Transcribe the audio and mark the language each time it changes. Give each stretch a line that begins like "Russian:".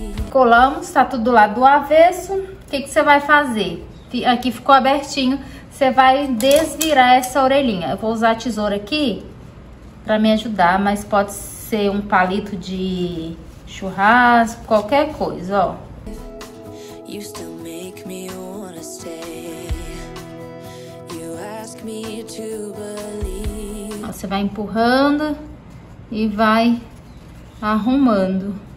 Portuguese: Colamos, tá tudo lá do avesso. O que que você vai fazer? Aqui ficou abertinho. Você vai desvirar essa orelhinha. Eu vou usar a tesoura aqui pra me ajudar, mas pode ser um palito de churrasco, qualquer coisa, ó.
English: You still make me wanna stay. You ask me to believe.
Portuguese: Ó, você vai empurrando e vai arrumando.